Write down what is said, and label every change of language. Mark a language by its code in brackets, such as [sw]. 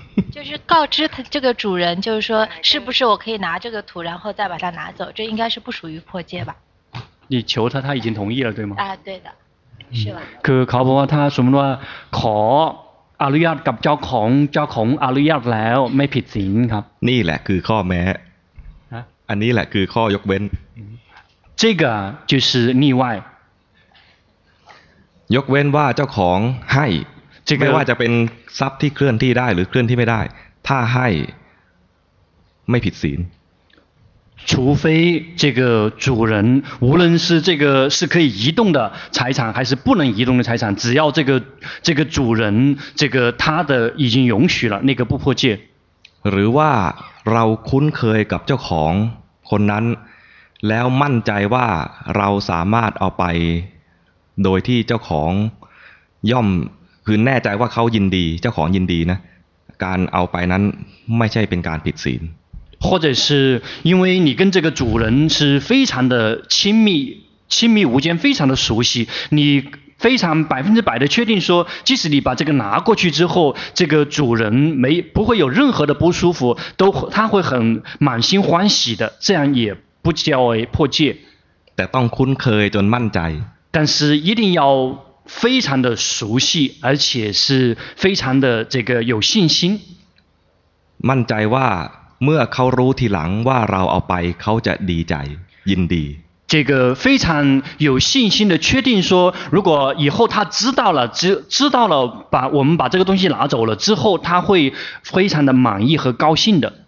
[zh] 就是告知他这个主人，就是说，是不是我可以拿这个土，然后再把它拿走？这应该是不属于破戒吧？你求他，他已经同意了，对吗？啊，对的，是吧？可考不？他什么呢？ [th] ขออนุญาตกับเจ้าของอนุญาตแล้วไม่ผิดศีลครับ นี่แหละคือข้อแม้ อันนี้แหละคือข้อยกเว้น [zh] 这个就是例外 [th] ยกเว้นว่าเจ้าของให้ [zh] 这个 [th] ไม่ว่าจะเป็นทรัพย์ที่เคลื่อนที่ได้หรือเคลื่อนที่ไม่ได้ถ้าให้ไม่ผิดศีล [zh] 除非这个主人无论是这个是可以移动的财产还是不能移动的财产只要这个主人这个他的已经允许了那个不破戒 [th] หรือว่าเราคุ้นเคยกับเจ้าของคนนั้นแล้วมั่นใจว่าเราสามารถเอาไปโดยที่เจ้าของย่อมคือแน่ใจว่าเขายินดีเจ้าของยินดีนะการเอาไปนั้นไม่ใช่เป็นการผิดศีล [zh] 或者是因为你跟这个主人是非常的亲密无间非常的熟悉你非常100%的确定说即使你把这个拿过去之后这个主人不会有任何的不舒服都他会很满心欢喜的这样也不叫为破戒 [th] แต่ต้องคุ้นเคยจนมั่นใจ [zh] 但是一定要非常的熟悉而且是非常的这个有信心 [th] มั่นใจว่าเมื่อเขารู้ทีหลังว่าเราเอาไปเขาจะดีใจยินดี [zh] 这个非常有信心的确定说如果以后他知道了把我们把这个东西拿走了之后他会非常的满意和高兴的